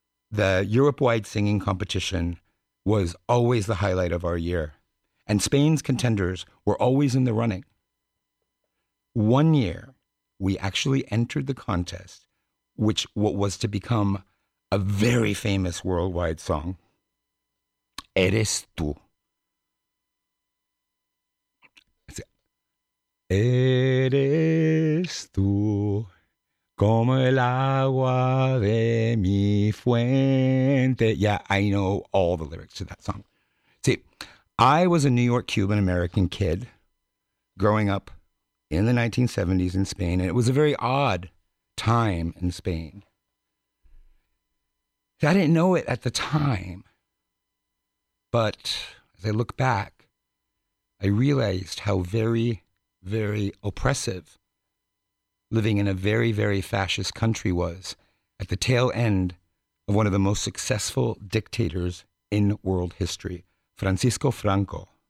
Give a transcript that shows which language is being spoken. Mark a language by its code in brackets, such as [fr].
[en] The Europe-wide singing competition was always the highlight of our year, and Spain's contenders were always in the running. One year, we actually entered the contest, which what was to become a very famous worldwide song, Eres Tú. [es] Eres tú como el agua de mi fuente. [en] Yeah, I know all the lyrics to that song. See, I was a New York Cuban American kid growing up in the 1970s in Spain, and it was a very odd time in Spain. See, I didn't know it at the time, but as I look back, I realized how very, very oppressive living in a very, very fascist country was at the tail end of one of the most successful dictators in world history, Francisco Franco.